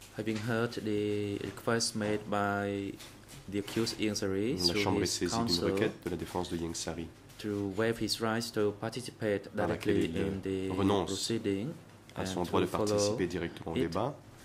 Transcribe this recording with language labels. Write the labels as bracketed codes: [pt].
[en] Having heard the request made by the accused Yansari, [fr] la Chambre est saisie d'une requête de la défense de Yansari. [en] To waive his rights to participate directly in the proceeding, [fr] à son droit de participer directement au débat.